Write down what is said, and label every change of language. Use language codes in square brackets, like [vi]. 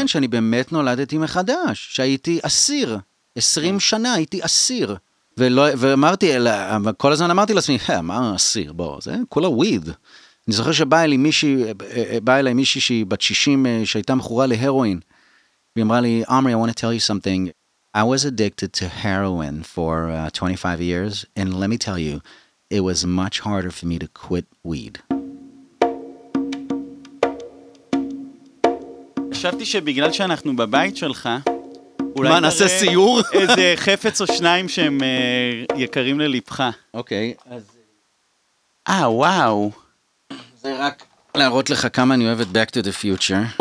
[he] כן, שאני באמת נולדתי מחדש, שהייתי אסיר, 20 שנה הייתי אסיר, ואמרתי, כל הזמן אמרתי לעצמי, מה אסיר, בוא, זה כולה וויד. אני זוכר שבא אליי מישהי שהיא בת 60, שהייתה מכורה להרואין, והיא אמרה לי, עמרי, [en] I want to tell you something. I was addicted to heroin for 25 years, and let me tell you, it was much harder for me to quit weed. [he] חשבתי שבגלל שאנחנו בבית שלך, אולי מה, נעשה סיור? איזה חפץ או שניים שהם יקרים ללבך. אוקיי. וואו. זה רק... להראות לך כמה אני אוהב את Back to the Future.